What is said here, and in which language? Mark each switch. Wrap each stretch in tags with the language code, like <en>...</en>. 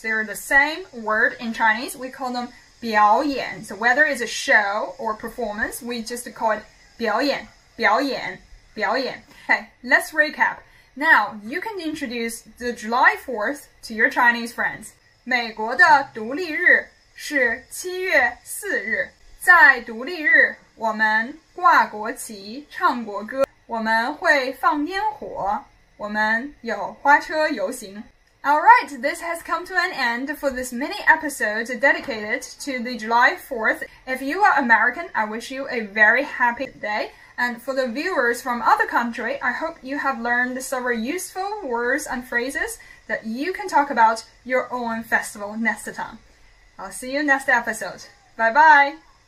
<en>They're the same word in Chinese. We call them 表演. So whether it's a show or performance, we just call it 表演, 表演, 表演. Okay, let's recap. Now, you can introduce the July 4th to your Chinese friends.</en> <zh>美国的独立日是七月四日。在独立日，我们挂国旗，唱国歌，我们会放烟火，我们有花车游行。</zh> <en>Alright, this has come to an end for this mini episode dedicated to the July 4th. If you are American, I wish you a very happy day. And for the viewers from other country, I hope you have learned several useful words and phrases that you can talk about your own festival next time. I'll see you next episode. Bye bye!</en>